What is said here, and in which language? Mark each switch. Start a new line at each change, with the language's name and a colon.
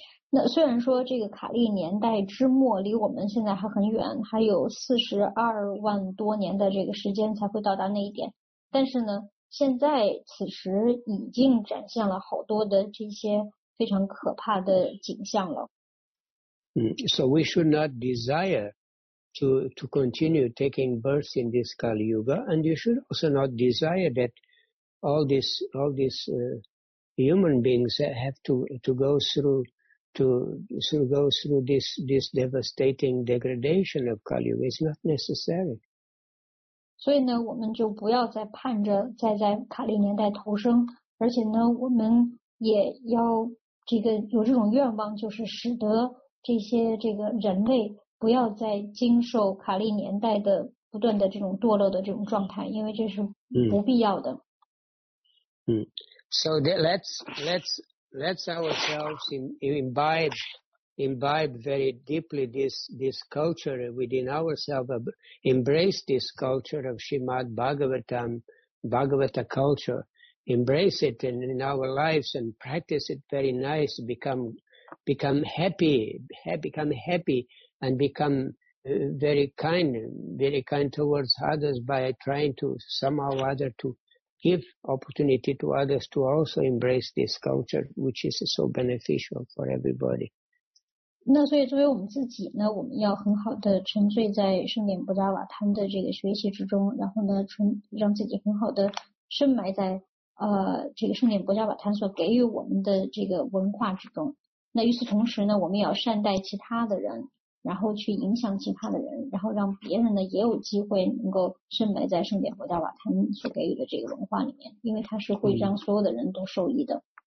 Chinese: 那虽然说这个卡利年代之末离我们现在还很远，还有42万多年的这个时间才会到达那一点，但是呢，现在此时已经展现了好多的这些非常可怕的景象了。
English: So we should not desire to continue taking birth in this Kali Yuga, and you should also not desire that all these human beings have to go through this devastating degradation of Kali Yuga. It's not necessary.
Chinese: 所以呢，我们就不要再盼着再在卡利年代投生，而且呢，我们也要这个有这种愿望，就是使得这些这个人类不要再经受卡利年代的不断的这种堕落的这种状态，因为这是不必要的。嗯。
English: So let's ourselves imbibe very deeply this culture within ourselves, embrace this culture of Srimad Bhagavatam, Bhagavata culture, embrace it in our lives and practice it very nice, become happy and become very kind towards others by trying to somehow or other to give opportunity to others to also embrace this culture, which is so beneficial for everybody.
Chinese: 那所以作为我们自己呢，我们要很好的沉醉在圣典布达瓦坦的这个学习之中，然后呢，让自己很好的深埋在这个圣典布达瓦坦所给予我们的这个文化之中。那与此同时呢，我们也要善待其他的人，然后去影响其他的人，然后让别人呢也有机会能够深埋在圣典布达瓦坦所给予的这个文化里面，因为它是会让所有的人都受益的。